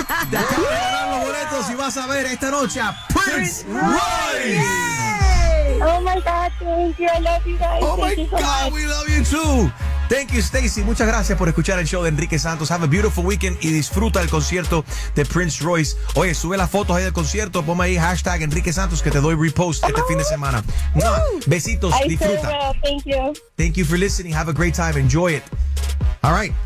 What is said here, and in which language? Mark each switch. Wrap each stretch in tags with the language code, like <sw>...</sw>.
<es>De acá te ganan los boletos y vas a ver esta noche a Prince Royce.</es> <en>Oh my God, thank you, I love you guys. Oh my God, we love you too. Thank you, Stacy.</en> <es>Muchas gracias por escuchar el show de Enrique Santos.</es> <en>Have a beautiful weekend</en> <es>y disfruta el concierto de Prince Royce. Oye, sube las fotos ahí del concierto. Ponme ahí hashtag Enrique Santos que te doy repost este fin de semana. ¡Mua! Besitos, disfruta.</es> <en>Thank you. Thank you for listening. Have a great time. Enjoy it. All right.</en>